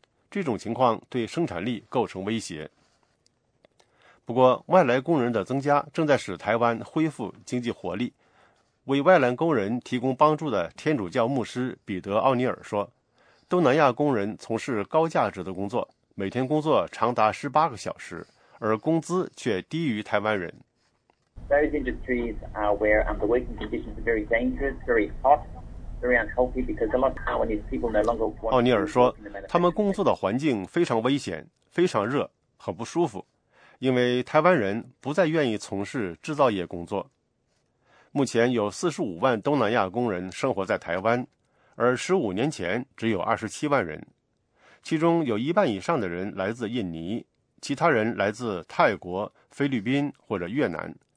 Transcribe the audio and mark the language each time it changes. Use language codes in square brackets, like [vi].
[zh] 这种情况对生产力构成威胁。不过，外来工人的增加正在使台湾恢复经济活力。为外来工人提供帮助的天主教牧师彼得·奥尼尔说，东南亚工人从事高价值的工作，每天工作长达18个小时，而工资却低于台湾人。 [en] Those industries are where the working conditions are very dangerous, very hot, very unhealthy because a lot of Taiwanese people no longer want to. [zh] 奥尼尔说，他们工作的环境非常危险，非常热，很不舒服，因为台湾人不再愿意从事制造业工作。目前有450,000东南亚工人生活在台湾，而15年前只有270,000人，其中有一半以上的人来自印尼，其他人来自泰国、菲律宾或者越南。